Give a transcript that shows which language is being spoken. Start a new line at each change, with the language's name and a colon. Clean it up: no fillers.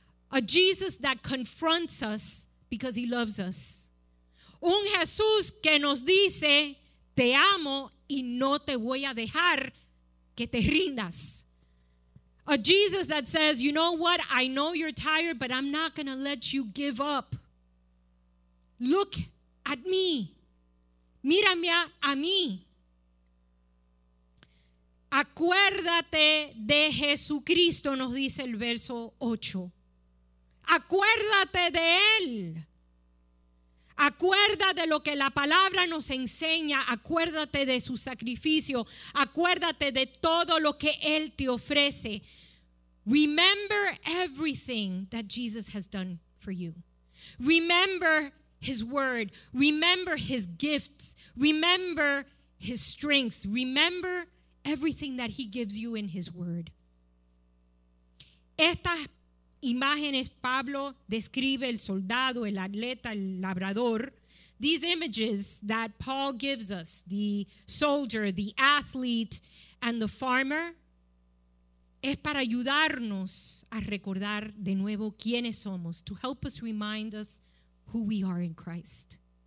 English: A Jesus that confronts us because he loves us.
Spanish: Un Jesús que nos dice, te amo y no te voy a dejar que te rindas.
English: A Jesus that says, you know what? I know you're tired, but I'm not going to let you give up. Look at me.
Spanish: Mírame a mí. Acuérdate de Jesucristo, nos dice el verso 8. Acuérdate de Él. Acuerda de lo que la palabra nos enseña, acuérdate de su sacrificio, acuérdate de todo lo que Él te ofrece.
English: Remember everything that Jesus has done for you. Remember His word, remember His gifts, remember His strength, remember everything that He gives you in His word.
Spanish: Esta imágenes, Pablo describe el soldado, el atleta, el labrador.
English: These images that Paul gives us, the soldier, the athlete, and the farmer,
Spanish: es para ayudarnos a recordar de nuevo quiénes somos,
English: to help us remind us who we are in Christ.